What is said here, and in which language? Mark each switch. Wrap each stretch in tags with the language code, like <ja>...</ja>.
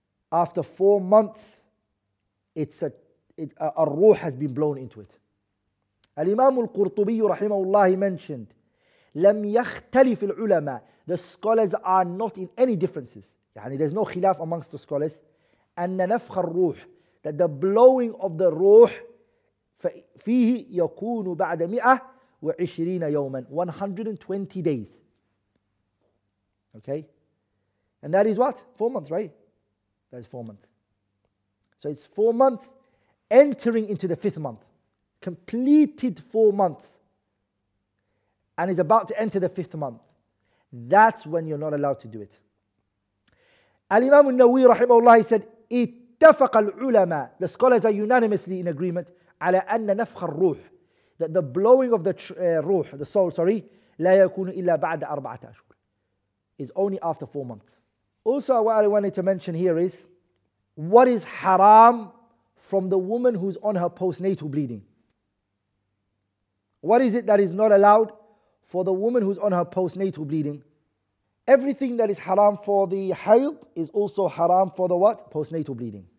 <en>After 4 months, a ruh has been blown into it. Al-Imam al-Qurtubi rahimahullah mentioned,</en> <ar>لم يختلف العلماء.</ar> <en>The scholars are not in any differences. يعني there's no khilaf amongst the scholars.</en> <ar>أن نفخ الروح,</ar> <en>that the blowing of the ruh</en> <ar>فيه يكون بعد مئة وعشرين يوما,</ar> <en>120 days. Okay? And that is what? 4 months, right? That is 4 months. So it's 4 months entering into the fifth month. Completed 4 months. And is about to enter the fifth month. That's when you're not allowed to do it. Al-Imam al-Nawawi rahimahullah said,</en> <ar>اتفق العلماء.</ar> <en>The scholars are unanimously in agreement.</en> <ar>على أن نفخ الروح,</ar> <en>that the blowing of the ruh, the soul, sorry,</en> <ar>لا يكون إلا بعد أربعة أشهر.</ar> <en>It's only after 4 months. Also, what I wanted to mention here is, what is haram from the woman who's on her postnatal bleeding? What is it that is not allowed for the woman who's on her postnatal bleeding? Everything that is haram for the hayd is also haram for the what? Postnatal bleeding.</en>